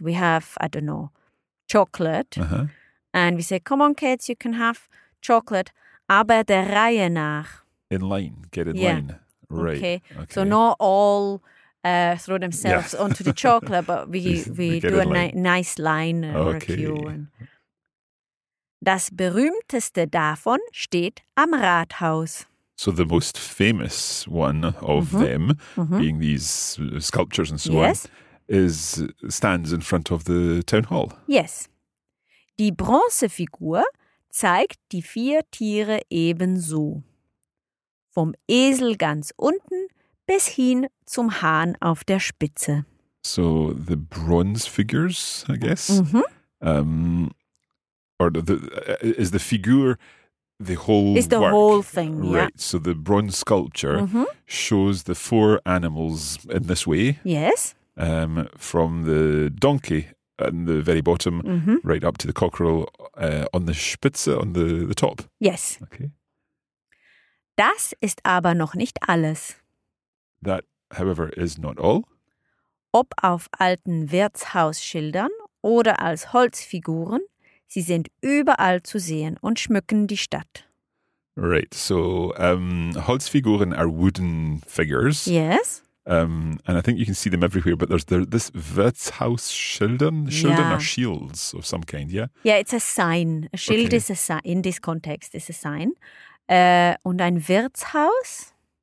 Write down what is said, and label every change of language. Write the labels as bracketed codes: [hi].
[en] We have, I don't know, chocolate. And we say, come on, kids, you can have chocolate. [de] Aber der Reihe nach. [en] In line. Get in line. Right. Okay. So not all throw themselves onto the chocolate, but we do a nice line review. [de] And das berühmteste davon steht am Rathaus. [en] So the most famous one of them, being these sculptures and so on, stands in front of the town hall. Yes. [de] Die Bronzefigur zeigt die vier Tiere ebenso. Vom Esel ganz unten bis hin zum Hahn auf der Spitze. [en] So the bronze figures, I guess. Or is the figure the whole thing? Right. So the bronze sculpture shows the four animals in this way. Yes. From the donkey in the very bottom right up to the cockerel on the Spitze, on the top. Yes. Okay. [de] Das ist aber noch nicht alles. [en] That, however, is not all. [de] Ob auf alten Wirtshausschildern oder als Holzfiguren, sie sind überall zu sehen und schmücken die Stadt. [en] Right, so Holzfiguren are wooden figures. Yes. And I think you can see them everywhere, but there's this Wirtshausschildern. Schildern are shields of some kind, yeah? Yeah, it's a sign. A shield is a sign. In this context, it's a sign. [de] Und ein Wirtshaus?